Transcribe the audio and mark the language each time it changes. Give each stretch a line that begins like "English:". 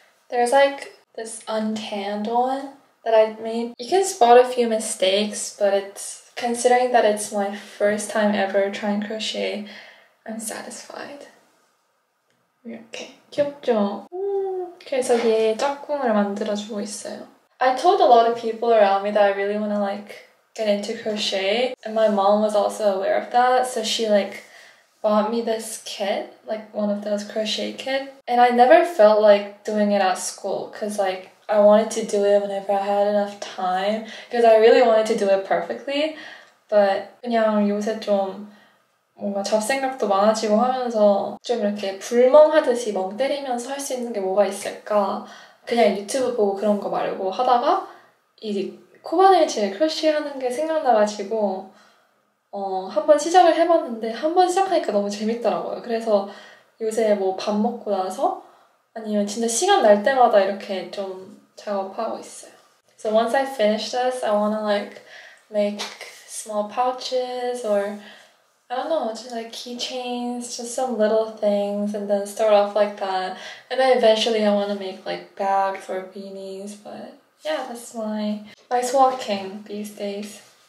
English: There's like this untanned one that I made. You can spot a few mistakes, but it's considering that it's my first time ever trying crochet, I'm satisfied.
Korean: 이렇게. 귀엽죠? 그래서 얘 짝꿍을 만들어주고 있어요.
English: I told a lot of people around me that I really want to like get into crochet, and my mom was also aware of that, so she like bought me this kit, like one of those crochet kits. And I never felt like doing it at school because like I wanted to do it whenever I had enough time because I really wanted to do it perfectly.
Korean: But 그냥 요새 좀 뭔가 잡생각도 많아지고 하면서 좀 이렇게 불멍하듯이 멍 때리면서 할 수 있는 게 뭐가 있을까? 그냥 유튜브 보고 그런 거 말고 하다가 이 코바늘질 크러쉬하는 게 생각나가지고 한번 시작을 해봤는데 한번 시작하니까 너무 재밌더라고요. 그래서 요새 뭐 밥 먹고 나서 아니면 진짜 시간 날 때마다 이렇게 좀 작업하고 있어요.
English: So once I finish this, I want to like make small pouches or I don't know, just like keychains, just some little things and then start off like that. And then eventually I want to make like bags or beanies, but yeah, that's my nice walking these days.